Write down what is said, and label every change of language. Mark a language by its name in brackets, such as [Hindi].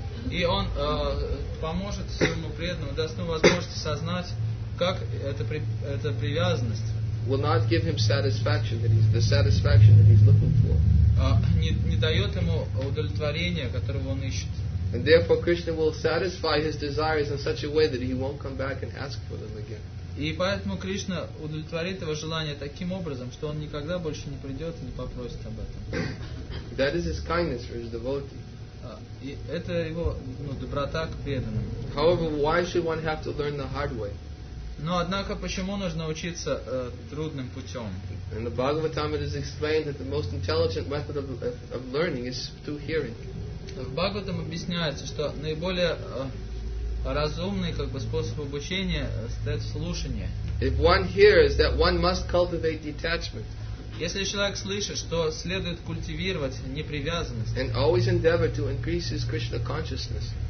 [Russian] И он поможет своему преданному, даст ему возможность осознать, как эта привязанность [English] will not give him satisfaction that he's the satisfaction that he's looking for. [Russian] Не дает ему удовлетворения, которого он ищет. [English] And therefore Krishna will satisfy his desires in such a way that he won't come back and ask for them again. [Russian] И поэтому Кришна удовлетворит его желание таким образом, что он никогда больше не придет и не попросит об этом. [English] That is his kindness for his devotee. [Russian] И это его, ну, доброта к преданным. [English] However, why should one have to learn the hard way? [Russian] Но однако почему нужно учиться трудным путем? [English] In the Bhagavatam it is explained that the most intelligent method of learning is through hearing. [Russian] В Бхагаватам объясняется, что наиболее разумный, как бы, способ обучения состоит в слушании. [English] If one hears, that one must cultivate detachment. [Russian] Если человек слышит, что следует культивировать непривязанность. [English] And always endeavor to increase his Krishna consciousness.